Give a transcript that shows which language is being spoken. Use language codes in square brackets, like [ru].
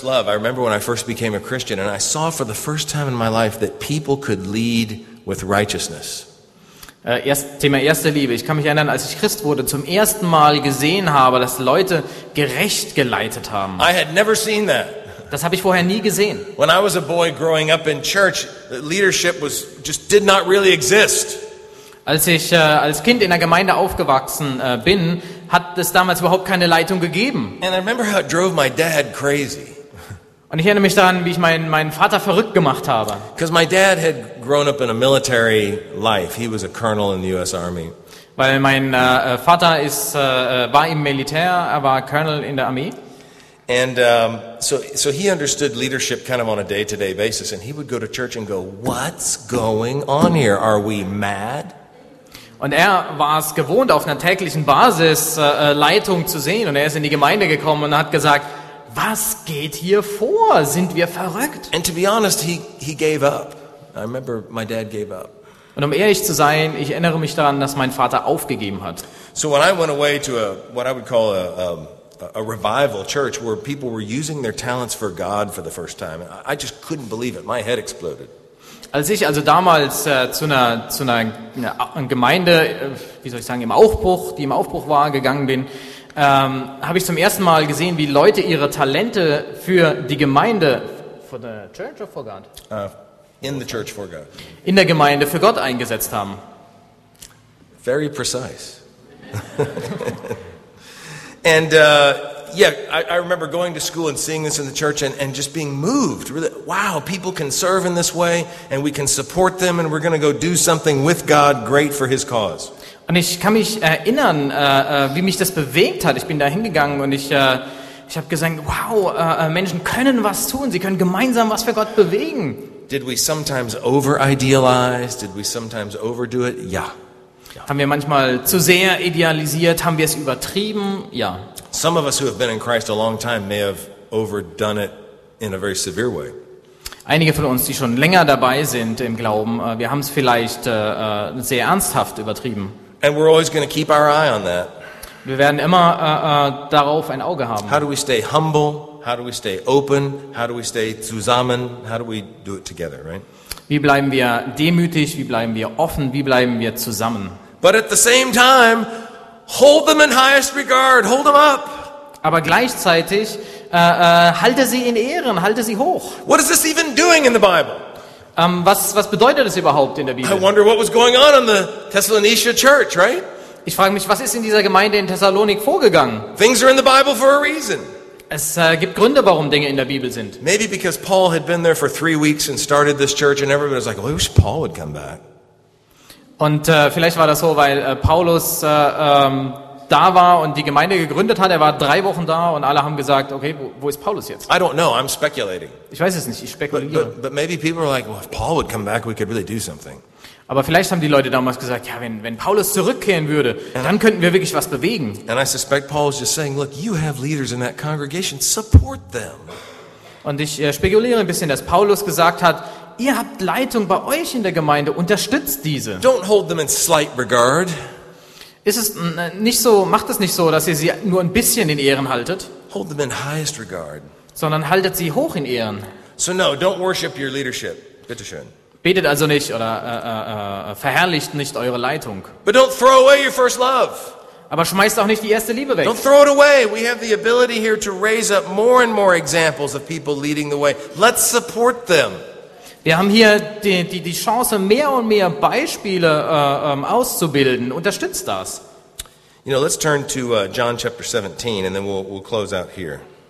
[en] I remember when I first became a Christian and I saw for the first time in my life that people could lead with righteousness. [de] Thema erste Liebe. Ich kann mich erinnern, als ich Christ wurde, zum ersten Mal gesehen habe, dass Leute gerecht geleitet haben. [en] I had never seen that. [de] Das habe ich vorher nie gesehen. [en] When I was a boy growing up in church, leadership was just did not really exist. [de] Als ich als Kind in der Gemeinde aufgewachsen bin, hat es damals überhaupt keine Leitung gegeben. [en] And I remember how it drove my dad crazy. [de] Und ich erinnere mich daran, wie ich meinen Vater verrückt gemacht habe. [en] Because my dad had grown up in a military life. He was a colonel in the US Army. [de] Weil mein Vater ist war im Militär, er war Colonel in der Armee. [en] And so he understood leadership kind of on a day-to-day basis, and he would go to church and go, "What's going on here? Are we mad?" [de] Und er war es gewohnt, auf einer täglichen Basis Leitung zu sehen. Und er ist in die Gemeinde gekommen und hat gesagt, was geht hier vor? Sind wir verrückt? [en] And to be honest, he gave up. I remember my dad gave up. [de] Und um ehrlich zu sein, ich erinnere mich daran, dass mein Vater aufgegeben hat. [en] So when I went away to a, what I would call a revival church, where people were using their talents for God for the first time, I just couldn't believe it. My head exploded. [de] Als ich also damals zu einer Gemeinde, wie soll ich sagen, im Aufbruch war, gegangen bin, habe ich zum ersten Mal gesehen, wie Leute ihre Talente für die Gemeinde, [en] for the church or for God? In the church for God. [de] In der Gemeinde für Gott eingesetzt haben. [en] Very precise. And I remember going to school and seeing this in the church and just being moved. Really, wow, people can serve in this way and we can support them and we're going to go do something with God great for his cause. [de] Und ich kann mich erinnern, wie mich das bewegt hat. Ich bin da hingegangen und ich habe gesagt, wow, Menschen können was tun. Sie können gemeinsam was für Gott bewegen. [en] Did we sometimes over-idealize? Did we sometimes overdo it? Yeah. [de] Haben wir manchmal zu sehr idealisiert? Haben wir es übertrieben? Ja. [en] Some of us who have been in Christ a long time may have overdone it in a very severe way. [de] Einige von uns, die schon länger dabei sind im Glauben, wir haben es vielleicht sehr ernsthaft übertrieben. [en] And we're always going to keep our eye on that. [de] Wir werden immer darauf ein Auge haben. [en] How do we stay humble? How do we stay open? How do we stay zusammen? How do we do it together, right? [de] Wie bleiben wir demütig? Wie bleiben wir offen? Wie bleiben wir zusammen? [en] But at the same time, hold them in highest regard. Hold them up. [de] Aber gleichzeitig halte sie in Ehren, halte sie hoch. [en] What is this even doing in the Bible? [de] Was bedeutet es überhaupt in der Bibel? [en] I wonder what was going on in the Thessalonica church, right? [de] Ich frage mich, was ist in dieser Gemeinde in Thessalonik vorgegangen? [en] Things are in the Bible for a reason. [de] Es gibt Gründe, warum Dinge in der Bibel sind. [en] Maybe because Paul had been there for 3 weeks and started this church, and everybody was like, "Oh, I wish Paul would come back." [de] Und vielleicht war das so, weil Paulus da war und die Gemeinde gegründet hat. Er war 3 Wochen da und alle haben gesagt, okay, wo ist Paulus jetzt? [en] I don't know. I'm speculating. [de] Ich weiß es nicht. Ich spekuliere. [en] But maybe people are like, "Well, if Paul would come back, we could really do something." [de] Aber vielleicht haben die Leute damals gesagt, ja, wenn Paulus zurückkehren würde, dann könnten wir wirklich was bewegen. [en] And I suspect Paul is just saying, look, you have leaders in that congregation, support them. [de] Und ich spekuliere ein bisschen, dass Paulus gesagt hat, ihr habt Leitung bei euch in der Gemeinde, unterstützt diese. [en] Don't hold them in slight regard. [de] Ist es nicht so, macht es nicht so, dass ihr sie nur ein bisschen in Ehren haltet? [en] Hold them in highest regard. [de] Sondern haltet sie hoch in Ehren. [en] So no, don't worship your leadership. [de] Bitte schön. Betet also nicht oder verherrlicht nicht eure Leitung. [en] But don't throw away your first love. [de] Aber schmeißt auch nicht die erste Liebe weg. [en] Don't throw it away. We have the ability here to raise up more and more examples of people leading the way. Let's support them. [de] Wir haben hier die Chance, mehr und mehr Beispiele auszubilden. Unterstützt das. [en] You know, let's turn to John chapter 17 and then we'll close out here.